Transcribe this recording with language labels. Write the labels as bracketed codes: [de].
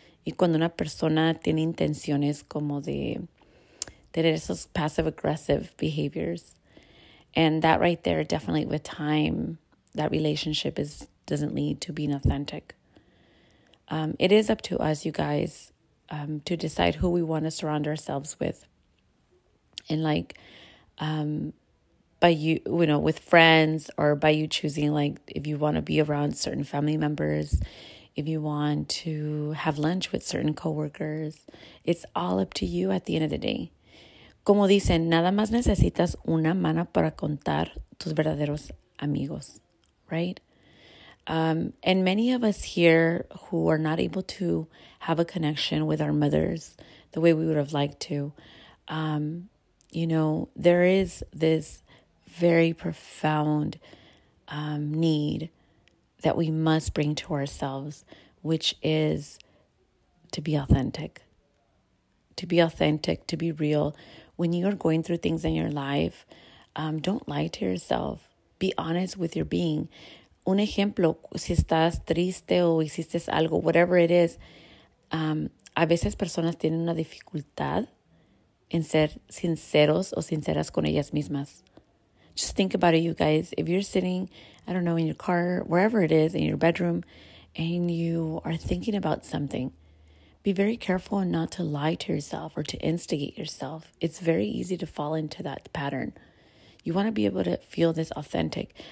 [es] Y cuando una persona tiene intenciones como de tener esos [en] passive aggressive behaviors. And that right there, definitely with time, that relationship doesn't lead to being authentic. It is up to us, you guys, to decide who we want to surround ourselves with. And like, by you, with friends, or by you choosing, like, if you want to be around certain family members, if you want to have lunch with certain coworkers, it's all up to you at the end of the day. [es] Como dicen, nada más necesitas una mano para contar tus verdaderos amigos, right? [en] And many of us here who are not able to have a connection with our mothers the way we would have liked to, there is this very profound need that we must bring to ourselves, which is to be authentic. To be authentic, to be real. When you are going through things in your life, don't lie to yourself. Be honest with your being. [es] Un ejemplo, si estás triste o hiciste algo, [en] whatever it is, [es] a veces personas tienen una dificultad en ser sinceros o sinceras con ellas mismas. [en] Just think about it, you guys. If you're sitting, in your car, wherever it is, in your bedroom, and you are thinking about something, be very careful not to lie to yourself or to instigate yourself. It's very easy to fall into that pattern. You want to be able to feel this authentic.